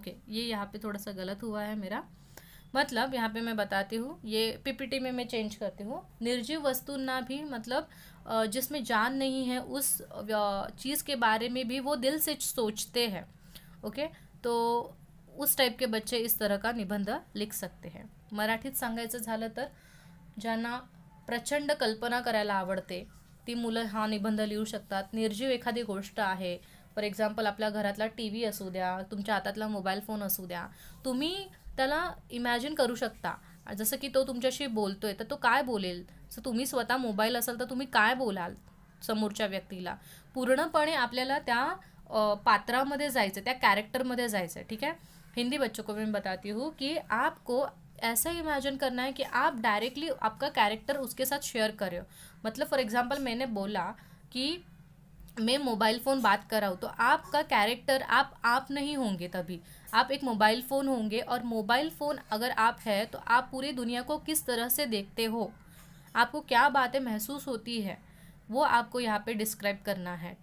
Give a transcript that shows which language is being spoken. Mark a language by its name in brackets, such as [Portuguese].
[Hindi] Okay, ये यहाँ पे थोड़ा सा गलत हुआ है मेरा, मतलब यहाँ पे मैं बताती हूँ, ये पीपीटी में मैं चेंज करती हूँ. निर्जीव वस्तुन ना भी, मतलब जिसमें जान नहीं है उस चीज़ के बारे में भी वो दिल से सोचते हैं. ओके, तो उस टाइप के बच्चे इस तरह का निबंध लिख सकते हैं. [Marathi] मराठीत सांगायचं झालं तर, ज्यांना प्रचंड कल्पना करायला आवडते ती मुलं हा निबंध लिहू शकतात. निर्जीव एखादी गोष्ट आहे, फॉर एक्झाम्पल आपल्या घरातला टीव्ही असू द्या, तुमच्या हातातला मोबाईल फोन असू द्या, तुम्ही त्याला इमॅजिन करू शकता, जसं की तो तुमच्याशी बोलतोय तर तो काय बोलेल. सो तुम्ही स्वतः मोबाईल असाल तर तुम्ही काय बोलाल समोरच्या व्यक्तीला, पूर्णपणे आपल्याला त्या पात्रामध्ये जायचं, त्या कॅरेक्टरमध्ये जायचं. ठीक आहे, [Hindi] हिंदी बच्चों को मी बताती हूँ की आपको ऐसा इमेजिन करना है की आप डायरेक्टली आपका कॅरेक्टर उसके साथ शेअर करो. मतलब फॉर एक्झाम्पल मैंने बोला की मैं मोबाइल फ़ोन बात कर रहा हूँ, तो आपका कैरेक्टर आप नहीं होंगे, तभी आप एक मोबाइल फ़ोन होंगे, और मोबाइल फ़ोन अगर आप है तो आप पूरी दुनिया को किस तरह से देखते हो, आपको क्या बातें महसूस होती है, वो आपको यहाँ पे डिस्क्राइब करना है.